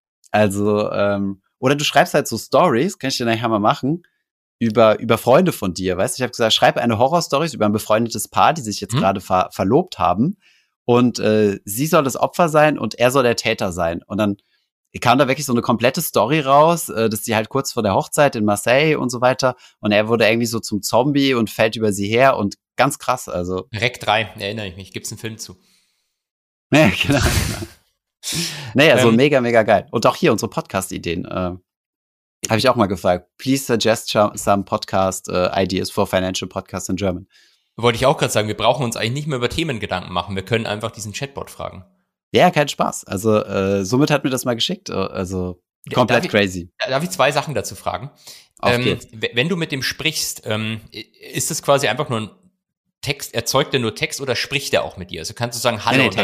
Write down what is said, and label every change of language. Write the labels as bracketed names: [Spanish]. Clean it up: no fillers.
[German] Also, oder du schreibst halt so Stories, kann ich dir nachher mal machen, über Freunde von dir, weißt du, ich habe gesagt, schreib eine Horror-Story über ein befreundetes Paar, die sich jetzt gerade verlobt haben und sie soll das Opfer sein und er soll der Täter sein und dann kam da wirklich so eine komplette Story raus, dass sie halt kurz vor der Hochzeit in Marseille und so weiter und er wurde irgendwie so zum Zombie und fällt über sie her und ganz krass, also. Rec 3, erinnere ich mich, gibt's einen Film zu. Ja, genau. Naja, so mega, mega geil. Und auch hier unsere Podcast-Ideen, habe ich auch mal gefragt. [English] Please suggest some podcast ideas for financial podcasts in German. [German] Wollte ich auch gerade sagen, wir brauchen uns eigentlich nicht mehr über Themen Gedanken machen, wir können einfach diesen Chatbot fragen. Ja, kein Spaß. Also somit hat mir das mal geschickt. Also komplett crazy. Darf ich zwei Sachen dazu fragen? Wenn du mit dem sprichst, ist es quasi einfach nur ein Text, erzeugt er nur Text oder spricht er auch mit dir? Also kannst du sagen Hallo und